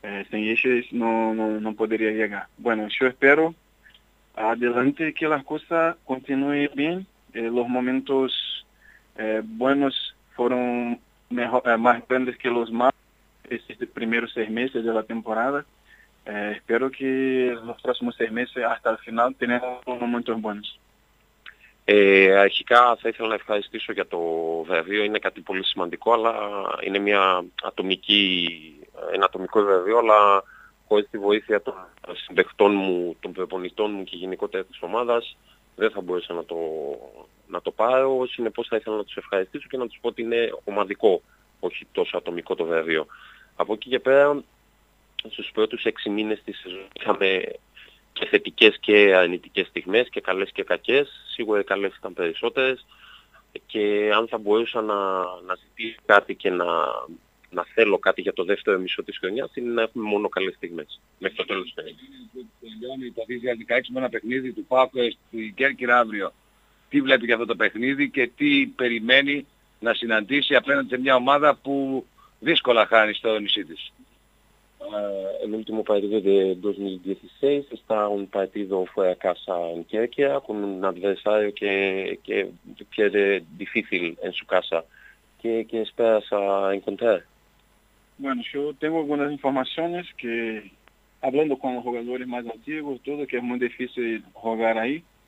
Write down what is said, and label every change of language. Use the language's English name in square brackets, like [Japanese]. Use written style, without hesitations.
[Spanish] Sin ellos no podría llegar. Bueno, yo espero adelante que las cosas continúen bien. Los momentos buenos fueron más grandes que los malos estos primeros 6 meses de la temporada. Espero que los próximos 6 meses hasta el final tengamos momentos buenos. [Greek] Αρχικά θα ήθελα να ευχαριστήσω για το βραβείο. Είναι κάτι πολύ σημαντικό, αλλά είναι μια ατομική, ένα ατομικό βραβείο, αλλά χωρίς τη βοήθεια των συμπαιχτών μου, των προπονητών μου και γενικότερα της ομάδας, δεν θα μπορούσα να το πάρω. Συνεπώς θα ήθελα να τους ευχαριστήσω και να τους πω ότι είναι ομαδικό, όχι τόσο ατομικό το βραβείο. Από εκεί και πέρα, στους πρώτους 6 μήνες της σεζόν είχαμε και θετικές και αρνητικές στιγμές, και καλές και κακές. Σίγουρα οι καλές ήταν περισσότερες. Και αν θα μπορούσα να ζητήσω κάτι και να θέλω κάτι για το δεύτερο μισό της χρονιάς, είναι να έχουμε μόνο καλές στιγμές. Μέχρι το τέλος της χρονιάς. Τελειώνει το 2016 με ένα παιχνίδι του Πάκου στην Κέρκυρα αύριο. Τι βλέπει για αυτό το παιχνίδι και τι περιμένει να συναντήσει απέναντι σε μια ομάδα που δύσκολα χάνει στο νησί της. [Spanish] El último partido de 2016 está un partido fuera de casa en Kerkia con un adversario que pierde difícil en su casa. ¿Qué esperas a encontrar? Bueno, yo tengo algunas informaciones que hablando con los jugadores más antiguos, todo que es muy difícil jugar ahí.